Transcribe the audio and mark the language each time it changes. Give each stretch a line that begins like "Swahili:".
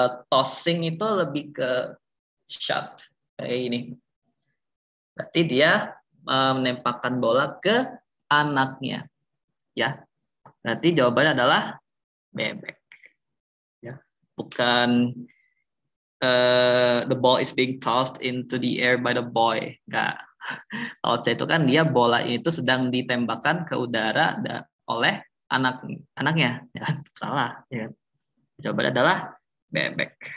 Indonesian: Tossing itu lebih ke shot. Kayak ini. Berarti dia menembakkan bola ke anaknya. Ya. Berarti jawabannya adalah bebek. Ya. Bukan
English: the ball is being tossed into the air by the boy.
Indonesian: Enggak. Kalau C itu kan dia bola itu sedang ditembakkan ke udara oleh anaknya. Ya, salah. Ya. Jawabannya adalah bebek.